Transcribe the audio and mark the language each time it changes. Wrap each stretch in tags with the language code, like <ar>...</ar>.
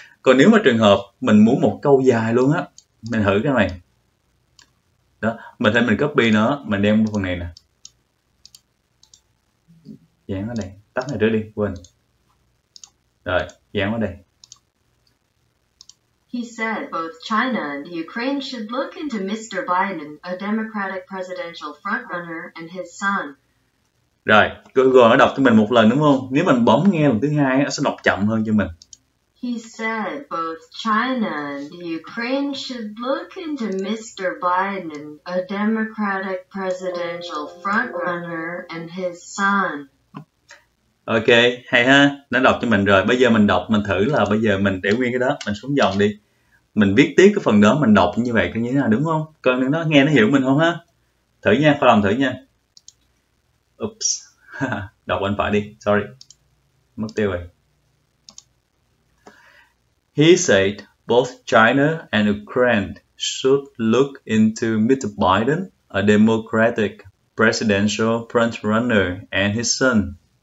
<vi>Còn nếu mà trường hợp mình muốn một câu dài luôn á, mình thử cái này đó, mình thấy mình copy nó mình đem phần này nè, dán ở đây tắt này trước đi quên rồi, dán ở đây.</vi> <en>He said both China and Ukraine should look into Mr. Biden, a Democratic presidential frontrunner, and his son.</en> <vi>Rồi, Google nó đọc cho mình một lần đúng không? Nếu mình bấm nghe lần thứ hai nó sẽ đọc chậm hơn cho mình.</vi> <en>He said both China and Ukraine should look into Mr. Biden, a Democratic presidential frontrunner, and his son.</en> <vi>Ok, hay ha, nó đọc cho mình rồi. Bây giờ mình đọc, mình thử là bây giờ mình để nguyên cái đó, mình xuống dòng đi. Mình viết tiếp cái phần đó, mình đọc như vậy có như thế nào đúng không? Coi nó nghe nó hiểu mình không ha. Thử nha, khoa làm thử nha. Ups, đọc bên phải đi, sorry, mất tiêu rồi.</vi> <en>He said both China and Ukraine should look into Mr. Biden, a Democratic presidential frontrunner, and his son.</en>